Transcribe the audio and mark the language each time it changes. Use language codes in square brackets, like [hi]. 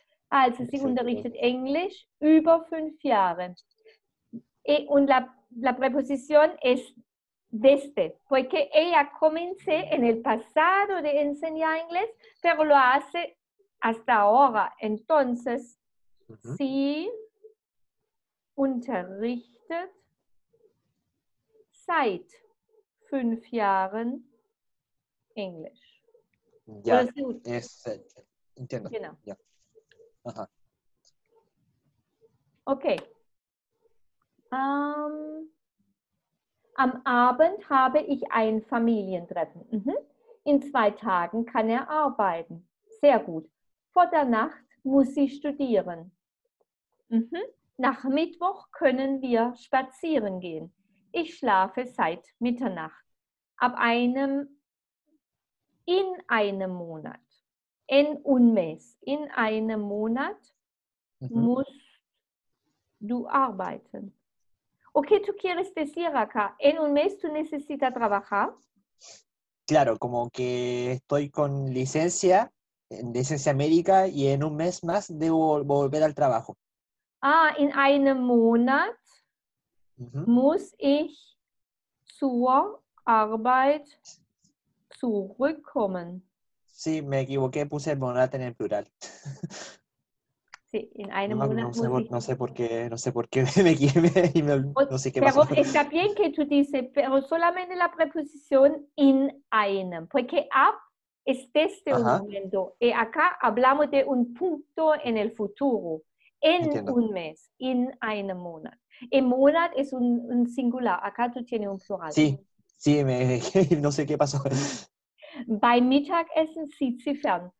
[de] Also, sie unterrichtet Englisch über 5 Jahre. [es] Und la preposición es desde, porque ella comenzó en el pasado de enseñar inglés, pero lo hace hasta ahora. [de] Entonces, sie unterrichtet seit 5 Jahren English. [es] Ya, entiendo. [en] You know. [es] Ya. Ajá. Ok. [de] Am Abend habe ich ein Familientreffen. Mhm. In 2 Tagen kann er arbeiten. Sehr gut. Vor der Nacht muss sie studieren. Mhm. Nach Mittwoch können wir spazieren gehen. Ich schlafe seit Mitternacht. In einem Monat, [es] en un mes, [de] in einem Monat musst du arbeiten. [es] Okay, tú quieres decir acá, en un mes tú necesitas trabajar. Claro, como que estoy con licencia, licencia médica, y en un mes más debo volver al trabajo. [de] Ah, in einem Monat muss ich zur Arbeit zurückkommen. [es] Sí, me equivoqué, puse el monat en el plural. Sí, en un monat. No sé por qué, no sé por qué me equivoqué y no sé qué pasó. Pero está bien que tú dices, pero solamente la preposición [de] in einem, [es] porque ab es desde un momento. Y acá hablamos de un punto en el futuro. En un mes, [de] in einem monat. [es] El monat es un singular, acá tú tienes un plural. Sí. Sí, no sé qué pasó. [de] Beim Mittagessen sieht sie fern.